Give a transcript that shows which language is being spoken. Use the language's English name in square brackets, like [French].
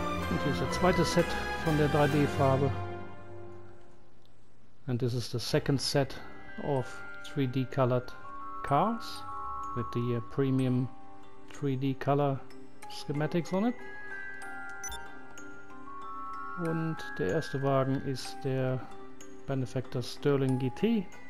[German] Und hier ist der zweite Set von der 3D-Farbe. [English] And this is the second set of 3D colored cars with the premium 3D color Schematics on it. [German] Und der erste Wagen ist der Benefactor Sterling GT.